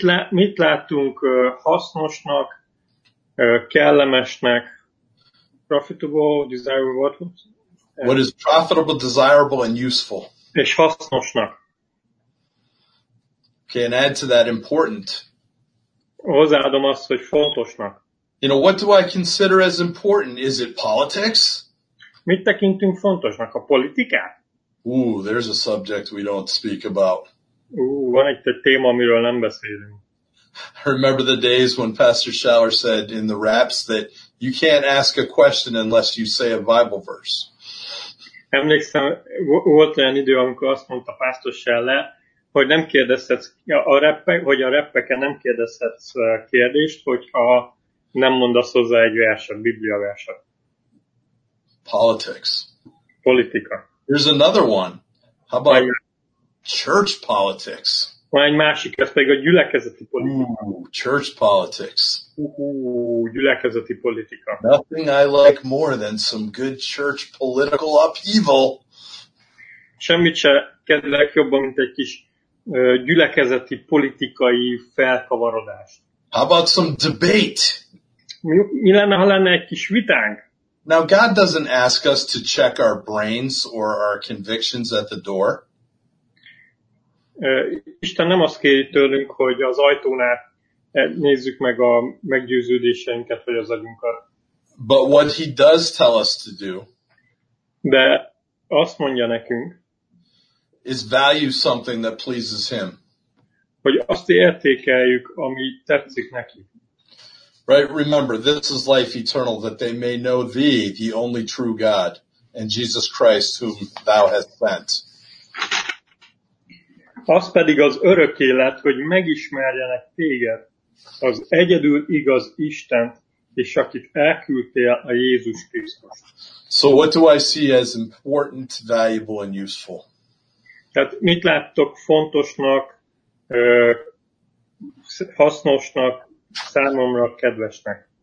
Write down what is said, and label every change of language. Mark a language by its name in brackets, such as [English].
[Hungarian] Mit látunk hasznosnak, kellemesnek, [English] profitable, desirable, what is profitable, desirable and useful? [Hungarian] És hasznosnak. [English] Okay, and add to that important. [Hungarian] Hozzáadom azt, hogy fontosnak. [English] You know, what do I consider as important? Is it politics? [Hungarian] Mit tekintünk fontosnak? A politika? [English] Ooh, there's a subject we don't speak about. [Hungarian] Ooh, van egy téma, amiről nem beszélünk. [English] I remember the days when Pastor Schaller said in the raps that you can't ask a question unless you say a Bible verse. [Hungarian] Emlékszem, volt olyan idő, amikor azt mondta Pastor Schaller, hogy nem kérdezhetsz a rappeken nem kérdezhetsz kérdést, hogyha nem mondasz hozzá egy verset, Biblia verset. [English] Politics. [Hungarian] Politika. [English] There's another one. How about church politics? [Hungarian] Van egy másik, ez pedig a gyülekezeti politika. [English] Ooh, church politics. [Hungarian] Gyülekezeti politika. [English] Nothing I like more than some good church political upheaval. [Hungarian] Semmit se kedvelek jobban, mint egy kis gyülekezeti politikai felkavarodást. [English] How about some debate? [Hungarian] Mi lenne, ha lenne egy kis vitánk? [English] Now God doesn't ask us to check our brains or our convictions at the door. [Hungarian] Isten nem azt kéri tőlünk, hogy az ajtónál nézzük meg a meggyőződéseinket vagy az agyunkat. [English] But what he does tell us to do. [Hungarian] De azt mondja nekünk. [English] Is value something that pleases him. [Hungarian] Hogy azt értékeljük, ami tetszik neki. [English] Right, remember, this is life eternal, that they may know thee, the only true God, and Jesus Christ, whom thou hast sent. [Hungarian] Az pedig az örök élet, hogy megismerjenek téged, az egyedül igaz Istent, és akit elküldtél, a Jézus Krisztus. [English] So what do I see as important, valuable and useful? [Hungarian] Tehát mit láttok fontosnak, hasznosnak, számomra kedvesnek.